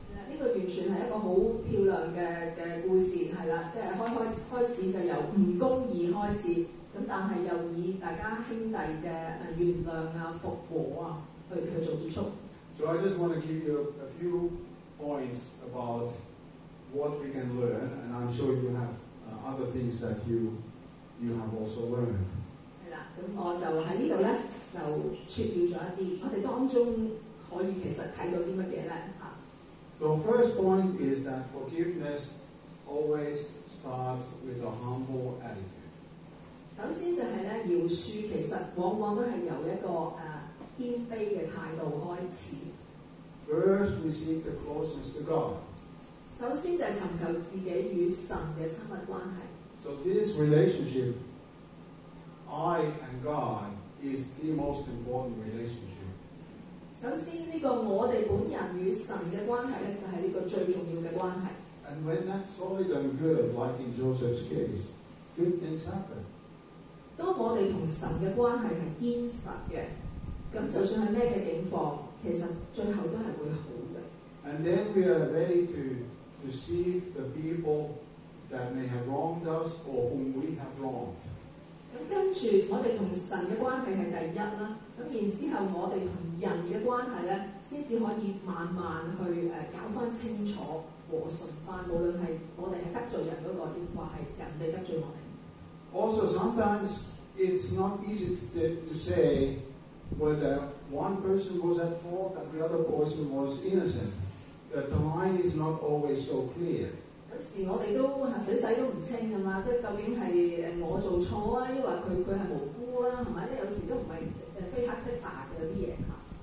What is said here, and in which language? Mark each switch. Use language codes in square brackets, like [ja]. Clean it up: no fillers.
[yue] 呢個完全係一個好漂亮嘅故事，係啦，即係開始就由唔公義開始，咁但係又以大家兄弟嘅原諒啊、復和啊去做結束。 [en] So I just want to give you a few points about what we can learn, and I'm sure you have other things that you have also learned. [yue] 我就喺呢度咧，就説了咗一啲，我哋當中可以其實睇到啲乜嘢咧嚇。 [en] So first point is that forgiveness always starts with a humble attitude。 [yue] 首先就係咧，饒恕其實往往都係由一個謙卑嘅態度開始。 [en] First, we seek the closeness to God。 [yue] 首先就係尋求自己與神嘅親密關係。 [en] So this relationship. I and God is the most important relationship. [yue] 首先，呢個我哋本人與神嘅關係咧，就係呢個最重要嘅關係。 [en] And when that's solid and good, like in Joseph's case, good things happen. [yue] 當我哋同神嘅關係係堅實嘅，咁就算係咩嘅境況，其實最後都係會好嘅。 [en] And then we are ready to receive the people that may have wronged us or whom we have wronged. [yue] 咁跟住，我哋同神嘅關係係第一啦。咁然之後，我哋同人嘅關係咧，先至可以慢慢去搞翻清楚、和順翻。無論係我哋係得罪人嗰個，亦或係人哋得罪我哋。 [en] Also, sometimes it's not easy to say whether one person was at fault and the other person was innocent. The line is not always so clear. [yue] 有時我哋都水洗都唔清啊嘛，即究竟係我做錯啊，抑或佢係無辜啦，係咪？即有時都唔係非黑即白嘅啲嘢嚇。